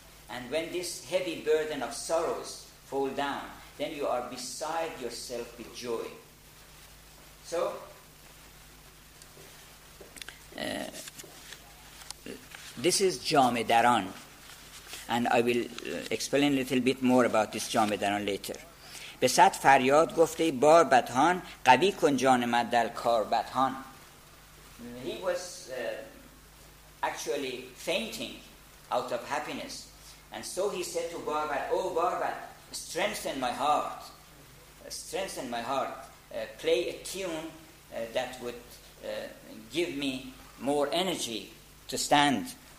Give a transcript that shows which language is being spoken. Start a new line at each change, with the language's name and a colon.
English: And when this heavy burden of sorrows fall down, then you are beside yourself with joy. So, this is Jame Daran, and I will explain a little bit more about this Jame Daran later.
Persian: به صد فریاد گفته بار بدهان قوی کن جان من در کار بدهان.
English: He was actually fainting out of happiness, and so he said to Barbat, oh Barbat, strengthen my heart, play a tune that would give me more energy to stand.